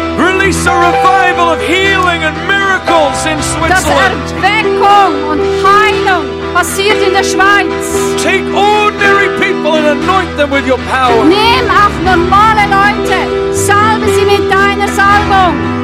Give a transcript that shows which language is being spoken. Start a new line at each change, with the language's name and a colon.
English: Release a revival of healing and miracles in Switzerland.
German: Dass Erweckung und Heilung passiert in der Schweiz.
English: Take ordinary people and anoint them with your power.
German: Nimm auch normale Leute, salbe sie mit deiner Salbung.